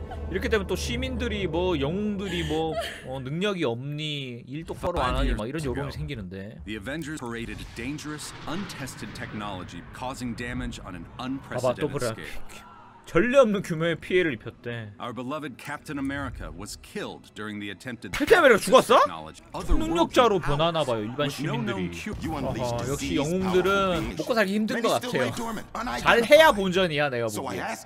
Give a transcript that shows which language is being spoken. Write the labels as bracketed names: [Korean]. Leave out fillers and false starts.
[Korean] 이렇게 되면 또 시민들이 뭐 영웅들이 뭐 어 능력이 없니 일도 바로 안 하니 막 이런 여론이 생기는데. [English] The Avengers paraded dangerous, untested technology, causing damage on an unprecedented scale. [Korean] 전례 없는 규모의 피해를 입혔대. [English] Our beloved Captain America was killed during the attempted. [Korean] 캡틴 아메리카 죽었어? 초능력자로 변하나 봐요 일반 시민들이. 아하, 역시 영웅들은 먹고 살기 힘든 것 같아요. 잘 해야 본전이야 내가 보기에.